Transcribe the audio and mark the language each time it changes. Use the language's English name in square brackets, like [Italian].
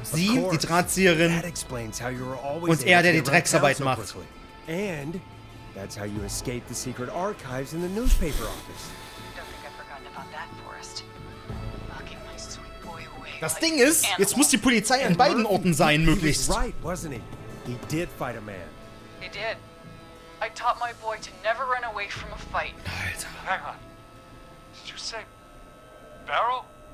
[German] Sie, die Drahtzieherin, und er, der die Drecksarbeit macht. [English] And that's how you escaped the secret archives in the newspaper office. Don't think I've forgotten about that, Forrest. Locking my sweet boy away. [German] Das Ding ist, jetzt muss die Polizei an beiden Orten sein, möglichst. [English] Right, wasn't he? He did fight a man. He did. I taught my boy to never run away from a fight. [German] Alter. [English] Hang on. Did you say Barrow?